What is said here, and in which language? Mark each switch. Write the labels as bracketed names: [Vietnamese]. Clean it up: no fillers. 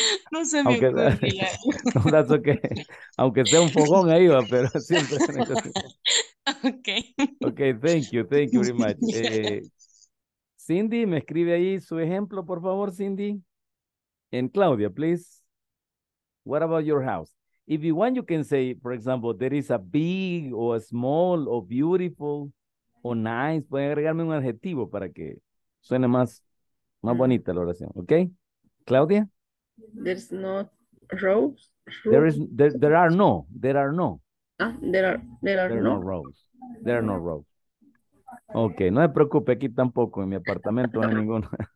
[Spanish] No se me aunque, ocurría. [English] No, that's okay. [Spanish] Aunque sea un fogón ahí va, pero siempre tienen cocina. [English] Ok. Ok, thank you very much. Yeah. [Spanish] Cindy, me escribe ahí su ejemplo, por favor, Cindy. [English] And Claudia, please. What about your house? If you want, you can say, for example, there is a big or a small or beautiful or nice. [Spanish] Pueden agregarme un adjetivo para que suene más bonita la oración. [English] Okay? Claudia? There's no rows. There are no. There are no. There are no rows. [Spanish] Ok, no se preocupe, aquí tampoco, en mi apartamento no hay ninguno.